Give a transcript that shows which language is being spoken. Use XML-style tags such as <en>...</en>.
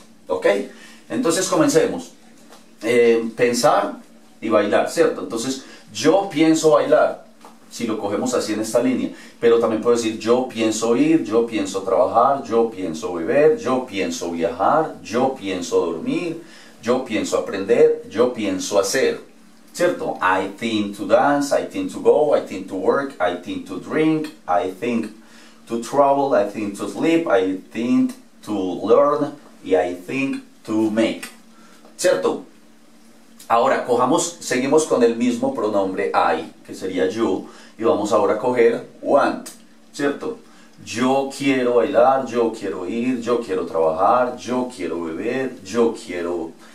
<es>Ok, entonces comencemos. Pensar y bailar, ¿cierto? Entonces, yo pienso bailar, si lo cogemos así en esta línea, pero también puedo decir yo pienso ir, yo pienso trabajar, yo pienso beber, yo pienso viajar, yo pienso dormir, yo pienso aprender, yo pienso hacer, ¿cierto?</es> <en>I think to dance, I think to go, I think to work, I think to drink, I think to travel, I think to sleep, I think to learn, y I think to make, ¿cierto?</en> <es>Ahora, seguimos con el mismo pronombre I, que sería yo, y vamos ahora a coger want, ¿cierto? Yo quiero bailar, yo quiero ir, yo quiero trabajar, yo quiero beber, yo quiero...</es>